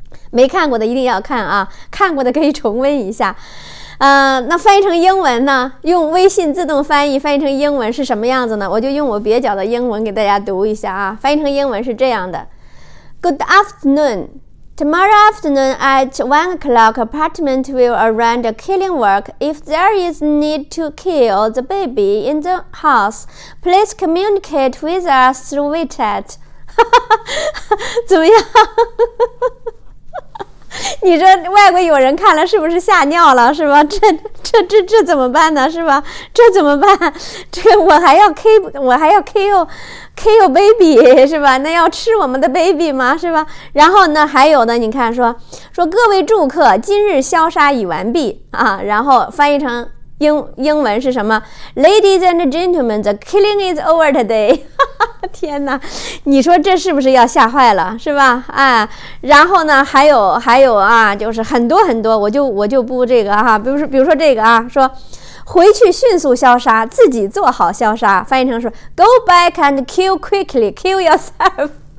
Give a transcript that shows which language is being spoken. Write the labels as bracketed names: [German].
[Chinese] 没看过的一定要看啊，看过的可以重温一下。那翻译成英文呢？用微信自动翻译，翻译成英文是什么样子呢？我就用我蹩脚的英文给大家读一下啊。翻译成英文是这样的： [English] Good afternoon. Tomorrow afternoon at 1 o'clock, apartment will arrange a killing work. If there is need to kill the baby in the house, please communicate with us through WeChat. [Chinese] 怎么样？你说外国友人看了是不是吓尿了是吧？这怎么办呢是吧？这怎么办？这我还要 [English] kill baby [Chinese] 是吧？那要吃我们的 baby 吗是吧？然后呢还有呢，你看说各位住客，今日消杀已完毕啊。然后翻译成英文是什么？ [English] Ladies and gentlemen, the killing is over today. [Chinese] 天哪，你说这是不是要吓坏了，是吧？哎，然后呢，还有啊，就是很多很多，我就不这个哈，比如说这个啊，说回去迅速消杀，自己做好消杀，翻译成说 [English] Go back and kill quickly, kill yourself.